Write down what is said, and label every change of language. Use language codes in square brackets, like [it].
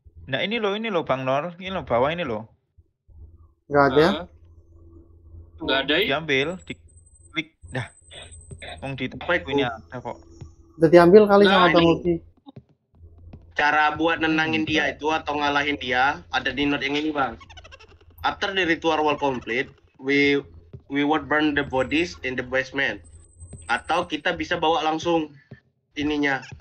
[id] Nah ini loh Bang Nor, ini loh bawah ini loh. Gak ada. Gak ada. Diambil, diklik, dah. Mong di tempat ini ada kok. Udah diambil kali sama Bang Multi. Cara buat nenangin dia itu atau ngalahin dia ada di note yang ini Bang. [en] After the ritual wall complete, we would burn the bodies in the basement. [id] Atau kita bisa bawa langsung ininya.